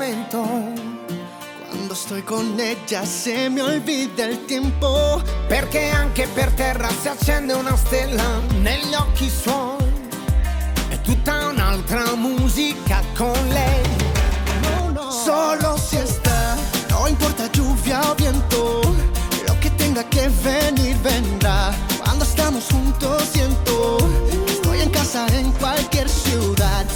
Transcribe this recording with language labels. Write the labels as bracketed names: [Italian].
[Spanish] cuando estoy con ella se me olvida el tiempo. [Italian] Perché anche per terra si accende una stella negli occhi suoi, è tutta un'altra musica con lei. [Spanish] No, no. [Italian] Solo si sta, [Spanish] no importa lluvia o viento, lo que tenga que venir vendrá. Cuando estamos juntos siento que estoy en casa en cualquier ciudad.